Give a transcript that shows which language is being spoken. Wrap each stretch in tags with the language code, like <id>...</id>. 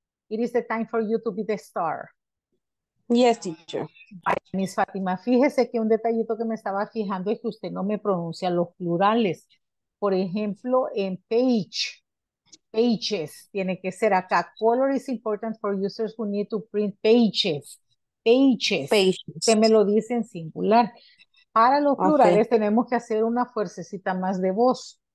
<en>It is the time for you to be the star. Yes, teacher.</en> <es>Miss Fátima, fíjese que un detallito que me estaba fijando es que usted no me pronuncia los plurales. Por ejemplo, en page, pages, tiene que ser acá.</es> <en>Color is important for users who need to print pages. Pages. Pages.</en> <es>Usted me lo dice en singular. Para los plurales okay. Tenemos que hacer una fuercecita más de voz.</es>